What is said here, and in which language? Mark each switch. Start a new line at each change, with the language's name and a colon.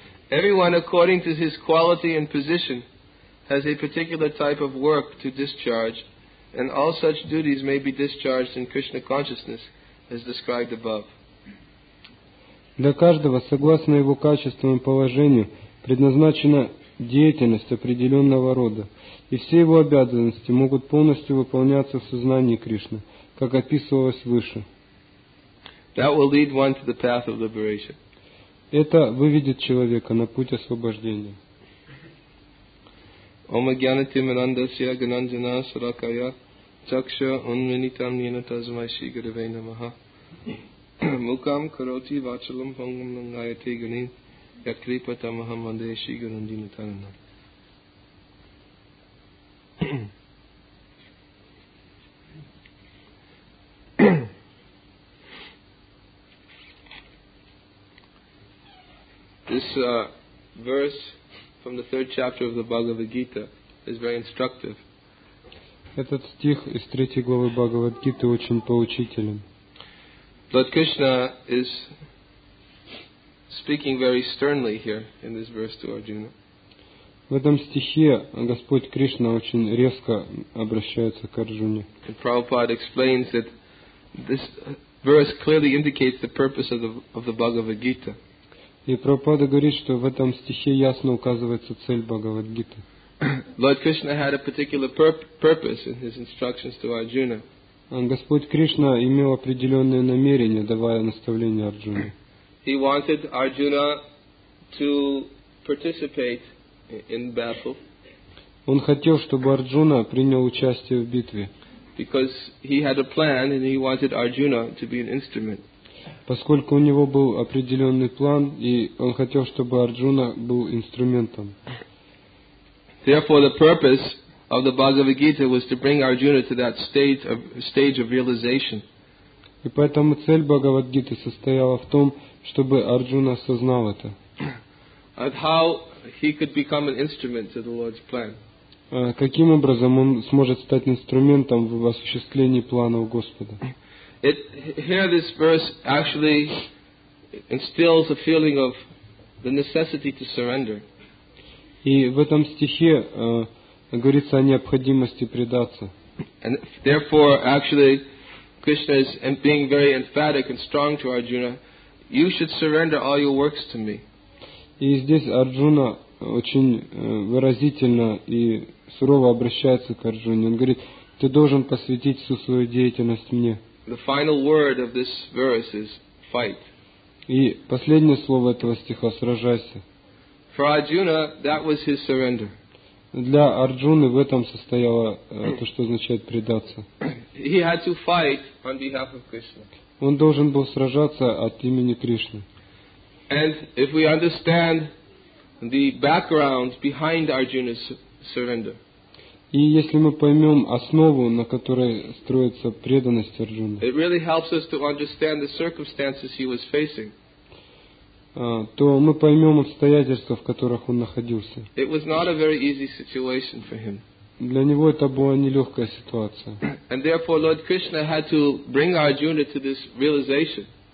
English: Everyone, according to his quality and position, has a particular type of work to discharge, and all such duties may be discharged in Krishna consciousness, as described above.
Russian: Для каждого, согласно его качествам и положению, предназначена деятельность определенного рода. И все его обязанности могут полностью выполняться в сознании Кришны, как описывалось выше.
English: That will lead one to the path of liberation.
Russian: Это выведет человека на путь освобождения.
Sanskrit: Ом агьянати манандасья гананджана саракая чакша унминитам нина тазмай шигаравей намаха мукам кароти вачалам пангам нангайате ганин якрипата махамандея шигаранджина тарана.
English: This verse from the third chapter of the Bhagavad Gita is very instructive.
Russian: Этот стих из третьей главы Бхагавад Гиты очень поучителен.
English: Lord Krishna is speaking very sternly here in this verse to Arjuna.
Russian: В этом стихе Господь Кришна очень резко обращается к Арджуне.
English: And Prabhupada explains that this verse clearly indicates the purpose of the Bhagavad Gita.
Russian: И Прабхупада говорит, что в этом стихе ясно указывается цель Бхагавад-гиты.
English: Lord Krishna had a particular purpose in his instructions to Arjuna.
Russian: Господь Кришна имел определенные намерения, давая наставление Арджуне.
English: He wanted Arjuna to participate in battle.
Russian: Он хотел, чтобы Арджуна принял участие в битве.
English: Because he had a plan and he wanted Arjuna to be an instrument.
Russian: Поскольку у него был определенный план, и он хотел, чтобы Арджуна был инструментом.
English: Therefore, the purpose of the Bhagavad Gita was to bring Arjuna to that stage of realization.
Russian: И поэтому цель Бхагавад Гиты состояла в том, чтобы Арджуна осознал это.
English: And how he could become an instrument to the Lord's plan.
Russian: Каким образом он сможет стать инструментом в осуществлении планов Господа?
English: Here this verse actually instills a feeling of the necessity to surrender.
Russian: И в этом стихе говорится о необходимости предаться.
English: And therefore, actually, Krishna is being very emphatic and strong to Arjuna. You should surrender all your works to me.
Russian: И здесь Арджуна очень выразительно и сурово обращается к Арджуне. Он говорит, ты должен посвятить всю свою деятельность мне.
English: The final word of this verse is fight.
Russian: И последнее слово этого стиха – сражайся.
English: For Arjuna, that was his surrender.
Russian: Для Арджуны в этом состояло то, что означает предаться.
English: He had to fight on behalf of Krishna.
Russian: Он должен был сражаться от имени Кришны.
English: And if we understand the background behind Arjuna's surrender.
Russian: И если мы поймем основу, на которой строится преданность Арджуны.
English: It really helps us to understand the circumstances he was facing.
Russian: То мы поймем обстоятельства, в которых он находился.
English: It was not a very easy situation for him.
Russian: Для него это была нелегкая ситуация.
English: And therefore Lord Krishna had to bring Arjuna to this realization.